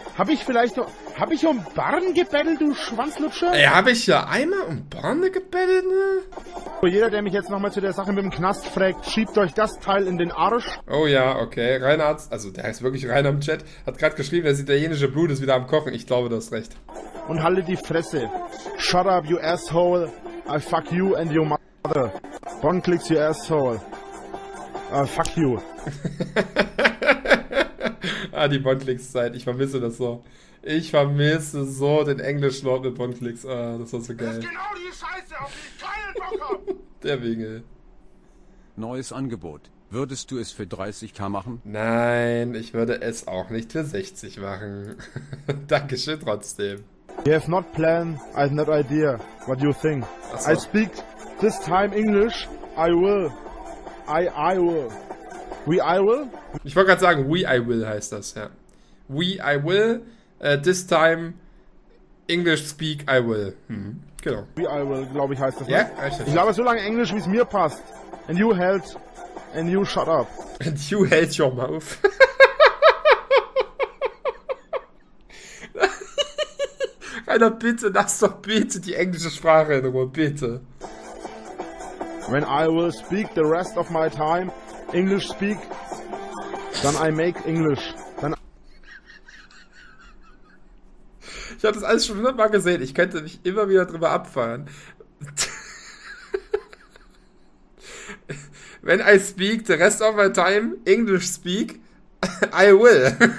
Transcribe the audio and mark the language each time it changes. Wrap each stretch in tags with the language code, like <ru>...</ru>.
<de>Hab ich um Barne gebettelt, du Schwanzlutscher? Ey, hab ich ja einmal um Barne gebettelt, ne? Jeder, der mich jetzt nochmal zu der Sache mit dem Knast fragt, schiebt euch das Teil in den Arsch. Oh ja, okay. Reinhard, also der heißt wirklich Reinhard im Chat, hat gerade geschrieben, das italienische Blut ist wieder am Kochen. Ich glaube, du hast recht. Und halte die Fresse.</de> <en>Shut up, you asshole. I fuck you and your mother. One clicks, you asshole. Fuck you.</en> <de>Ah, die Bonklicks-Zeit. Ich vermisse das so. Ich vermisse so den englischen Wort mit Bonklicks. Ah, das war so geil. Das ist genau die Scheiße, auf die ich keinen Bock hab. Der Wingel. Neues Angebot. Würdest du es für 30.000 machen? Nein, ich würde es auch nicht für 60 machen. Dankeschön trotzdem.</de> <en>You have not planned, I have no idea what you think. So. I speak this time English, I will. I will. We I will?</en> <de>Ich wollte gerade sagen,</de> <en>we I will</en> <de>heißt das, ja.</de> <en>We I will, this time English speak I will.</en> <de>Genau. We I will, glaube ich, heißt das. Ja,</de> <en>yeah?</en> <de>Ich glaube, so lange Englisch, wie es mir passt.</de> <en>And you held, and you shut up. And you held your mouth.</en> <de>Rainer, bitte, lass doch bitte die englische Sprache in Ruhe, bitte.</de> <en>When I will speak the rest of my time English speak, then I make English. Then</en> <de>ich habe das alles schon hundertmal gesehen. Ich könnte mich immer wieder drüber abfeiern.</de> <en>When I speak the rest of my time English speak, I will.</en>